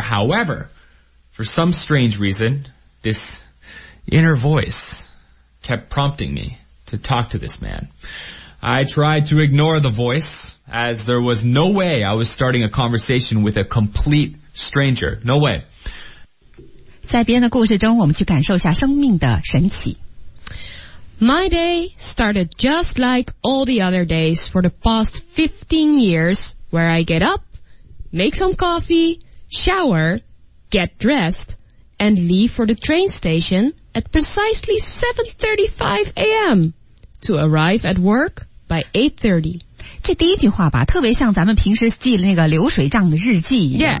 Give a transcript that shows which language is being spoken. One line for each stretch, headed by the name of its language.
English: However, for some strange reason, this inner voice kept prompting me to talk to this man. I tried to ignore the voice, as there was no way I was starting a conversation with a complete stranger. No way.
Chinese: 在别人的故事中，我们去感受一下生命的神奇。
English: My day started just like all the other days for the past 15 years, where I get up, make some coffee, shower, get dressed, and leave for the train station at precisely 7:35 a.m. to arrive at work. By 8:30.
Chinese: 这第一句话吧，特别像咱们平时记那个流水账的日记一样。